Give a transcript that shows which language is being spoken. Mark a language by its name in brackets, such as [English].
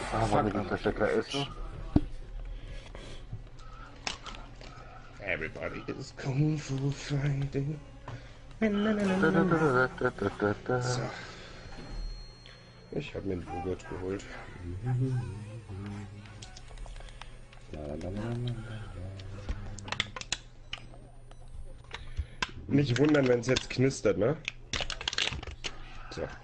[German] Wollen wir das lecker essen? [English] Everybody is Kung Fu Fighting. [German] So. Da. Ich habe mir einen Joghurt geholt. Nicht wundern, wenn es jetzt knistert, ne? So.